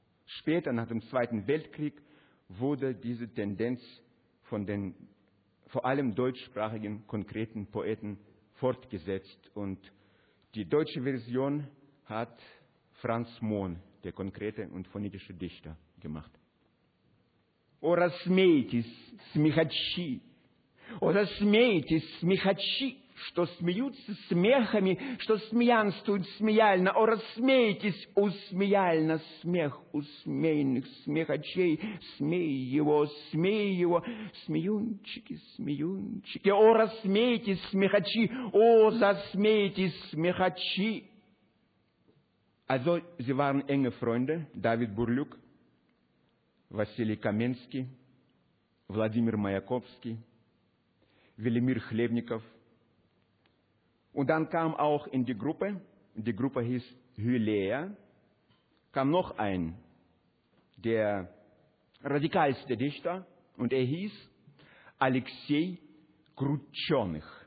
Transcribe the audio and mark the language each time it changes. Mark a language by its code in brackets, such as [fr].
[de] Später, nach dem Zweiten Weltkrieg, wurde diese Tendenz von den vor allem deutschsprachigen konkreten Poeten fortgesetzt, und die deutsche Version hat Franz Mohn, der konkrete und phonetische Dichter, gemacht. [ru] O rasmeitis smichachi, o rasmeitis smichachi, что смеются смехами, что смеянствуют смеяльно, о рассмейтесь усмеяльно смех усмейных смехачей, смей его, смеюнчики, смеюнчики, о рассмейтесь смехачи, о засмейтесь смехачи. [de] Also, sie waren enge Freunde, David Burlyuk, Василий Каменский, Владимир Маяковский, Велимир Хлебников. Und dann kam auch in die Gruppe die Gruppe hieß Hylea, kam noch ein, der radikalste Dichter, und er hieß Alexei Krutschonich.